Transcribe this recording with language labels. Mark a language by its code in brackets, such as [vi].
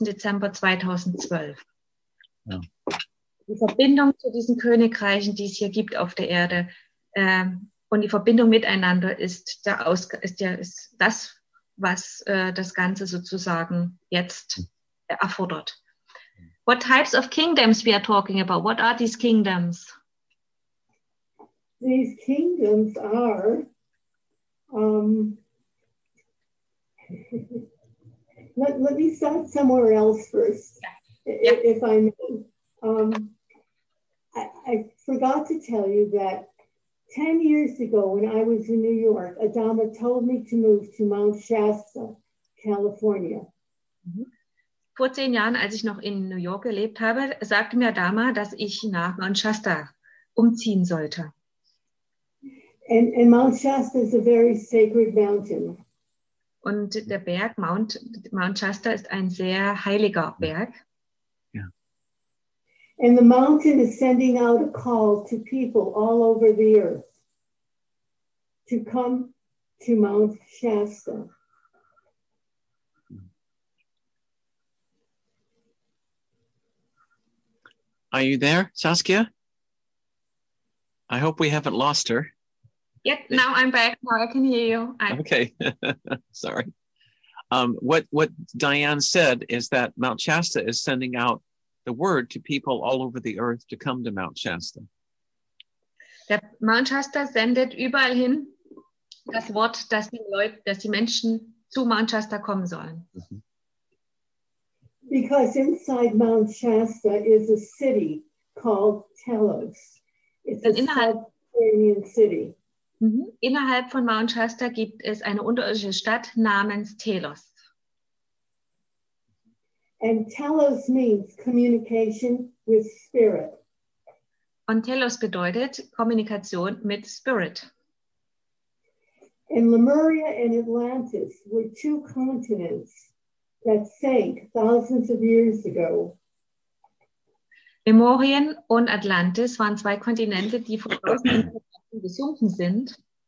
[de] Dezember 2012. Ja. Die Verbindung zu diesen Königreichen, die es hier gibt auf der Erde, Und die Verbindung miteinander ist der ist das, was das Ganze sozusagen jetzt erfordert. [en] What types of kingdoms we are talking about? What are these kingdoms? These kingdoms are let me start somewhere else first, if I may. I forgot to tell you that 10 years ago when I was in New York, Adama told me to move to Mount Shasta, California. [de] Vor 10 Jahren, als ich noch in New York gelebt habe, sagte mir Adama, dass ich nach Mount Shasta umziehen sollte. [en] And Mount Shasta is a very sacred mountain. [de] Und der Berg Mount Shasta ist ein sehr heiliger Berg. [en] Yeah. And the mountain is sending out a call to people all over the earth to come to Mount Shasta. Are you there, Saskia? I hope we haven't lost her. Yep, now I'm back. Now I can hear you. Okay, sorry. What Diane said is that Mount Shasta is sending out the word to people all over the earth to come to Mount Shasta. [de] Der Mount Shasta sendet überall hin das Wort, dass die Leute, dass die Menschen zu Mount Shasta kommen sollen. Mm-hmm. [en] Because inside Mount Shasta is a city called Telos. It's a subterranean city. [de] Innerhalb von Mount Shasta gibt es eine unterirdische Stadt namens Telos. [en] And Telos means communication with spirit. [de] Und Telos bedeutet Kommunikation mit Spirit. [en] And Lemuria and Atlantis were two continents that sank thousands of years ago. [de] Lemurien und Atlantis waren zwei Kontinente, die vor tausenden Jahren gesunken sind.